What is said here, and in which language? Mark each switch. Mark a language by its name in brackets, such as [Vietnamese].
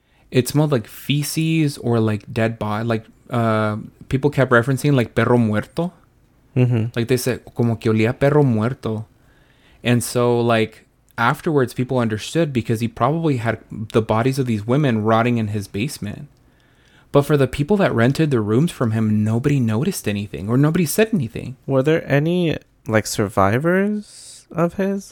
[English] It smelled like feces or, like, dead body. Like, people kept referencing, like, [Spanish] perro muerto. Mm-hmm. [English] Like, they said, [Spanish] como que olía perro muerto. [English] And so, like, afterwards, people understood because he probably had the bodies of these women rotting in his basement. But for the people that rented the rooms from him, nobody noticed anything or nobody said anything. Were there any, like, survivors of his?